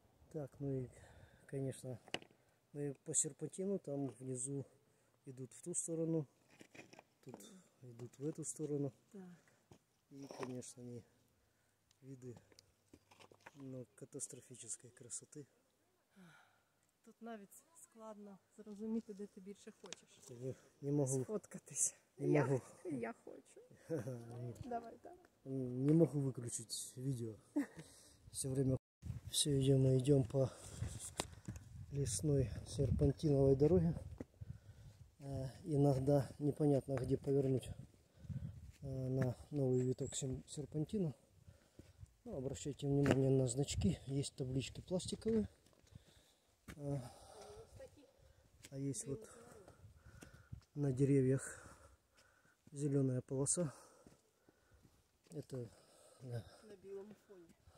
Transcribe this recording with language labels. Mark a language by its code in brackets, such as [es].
[ru] Так, ну и, конечно, мы по серпантину, там внизу идут в ту сторону, тут идут в эту сторону. Так. И, конечно, они виды, но катастрофической красоты. [uk] Тут навіть скоро. складно зрозуміти, де ти більше хочеш. Не можу. Сфоткатися. Не можу. Я хочу. Давай так. [ru] Не могу [uk] виключити відео. [ru] Все время. [uk] Все, йдемо по лісній серпантиновій дорозі. Іноді [ru] непонятно, [uk] де повернути на новий виток серпантину. [ru] Ну, обращайте внимание на значки, есть таблички пластиковые, а есть вот на деревьях зеленая полоса, это на белом фоне,